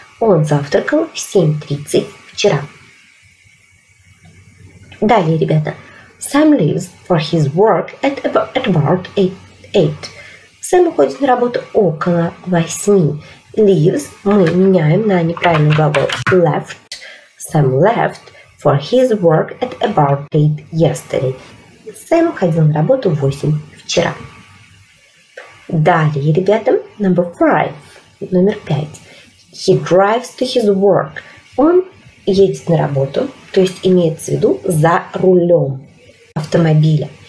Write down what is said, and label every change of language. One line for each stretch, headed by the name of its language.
Russian: Он завтракал в 7:30 вчера. Далее, ребята.
English: Sam leaves for his work at about 8.
Russian: Сэм уходит на работу около 8. Leaves мы меняем на неправильный глагол left.
English: Sam left for his work at about 8 yesterday.
Russian: Сэм уходил на работу 8 вчера. Далее, ребята,
English: number 5.
Russian: Номер 5.
English: He drives to his work.
Russian: Он едет на работу, то есть имеется в виду за рулем автомобиля.